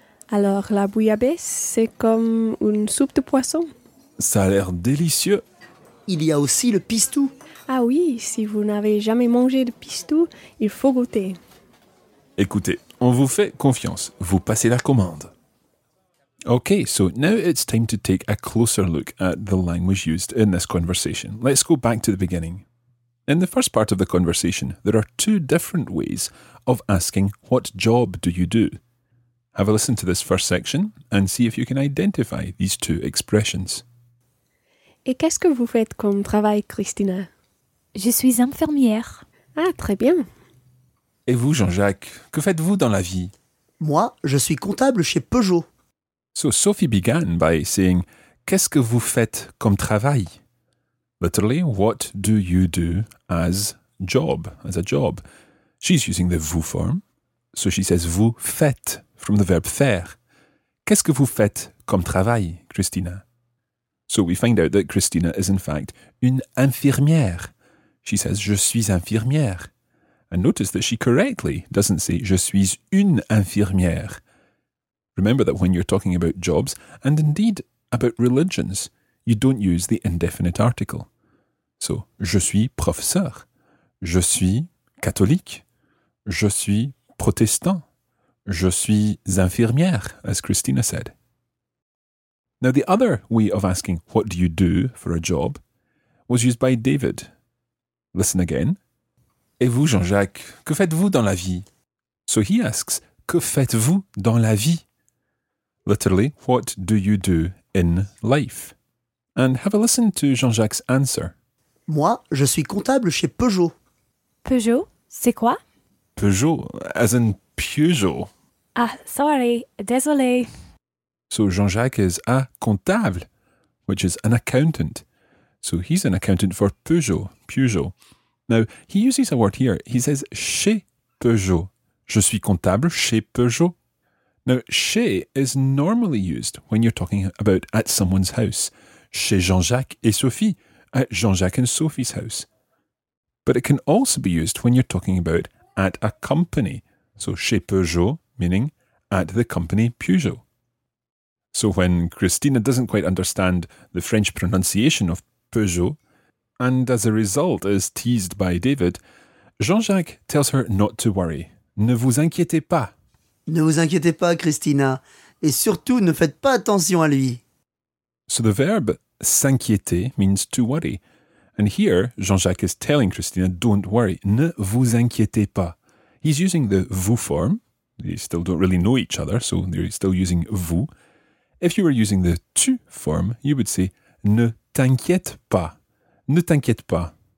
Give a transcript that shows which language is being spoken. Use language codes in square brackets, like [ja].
[fr] Alors, la bouillabaisse, c'est comme une soupe de poisson. Ça a l'air délicieux. Il y a aussi le pistou. Ah oui, si vous n'avez jamais mangé de pistou, il faut goûter. Écoutez, on vous fait confiance. Vous passez la commande. [en] OK, so now it's time to take a closer look at the language used in this conversation. Let's go back to the beginning. In the first part of the conversation, there are two different ways of asking what job do you do. Have a listen to this first section and see if you can identify these two expressions. [fr] Et qu'est-ce que vous faites comme travail, Christina? Je suis infirmière. Ah, très bien. Et vous, Jean-Jacques, que faites-vous dans la vie? Moi, je suis comptable chez Peugeot. [en] So Sophie began by saying, [fr] qu'est-ce que vous faites comme travail? [en] Literally, what do you do as job, as a job? She's using the vous form. So she says, [fr] vous faites, [en] from the verb faire. [fr] Qu'est-ce que vous faites comme travail, Christina? [en] So we find out that Christina is in fact [fr] une infirmière. [en] She says, [fr] je suis infirmière. [en] And notice that she correctly doesn't say, [fr] je suis une infirmière. [en] Remember that when you're talking about jobs, and indeed about religions, you don't use the indefinite article. So, [fr] je suis professeur. Je suis catholique. Je suis protestant. Je suis infirmière, [en] as Christina said. Now, the other way of asking, what do you do for a job, was used by David. Listen again. [fr] Et vous, Jean-Jacques, que faites-vous dans la vie? [en] So he asks, [fr] que faites-vous dans la vie? [en] Literally, what do you do in life? And have a listen to Jean-Jacques' answer. [fr] Moi, je suis comptable chez Peugeot. Peugeot, c'est quoi? [en] Peugeot, as in Peugeot. Ah, sorry, désolé. So Jean-Jacques is a comptable, which is an accountant. So he's an accountant for Peugeot, Peugeot. Now, he uses a word here. He says, chez Peugeot. [fr] Je suis comptable chez Peugeot. [en] Now, chez is normally used when you're talking about at someone's house. Chez Jean-Jacques et Sophie, at Jean-Jacques and Sophie's house. But it can also be used when you're talking about at a company. So, chez Peugeot, meaning at the company Peugeot. So, when Christina doesn't quite understand the French pronunciation of Peugeot, and as a result is teased by David, Jean-Jacques tells her not to worry. [fr] Ne vous inquiétez pas. Ne vous inquiétez pas, Christina. Et surtout, ne faites pas attention à lui. [en] So the verb s'inquiéter means to worry. And here, Jean-Jacques is telling Christina, don't worry. [fr] Ne vous inquiétez pas. [en] He's using the vous form. They still don't really know each other, so they're still using vous. If you were using the tu form, you would say, [fr] ne t'inquiète pas. Ne t'inquiète pas.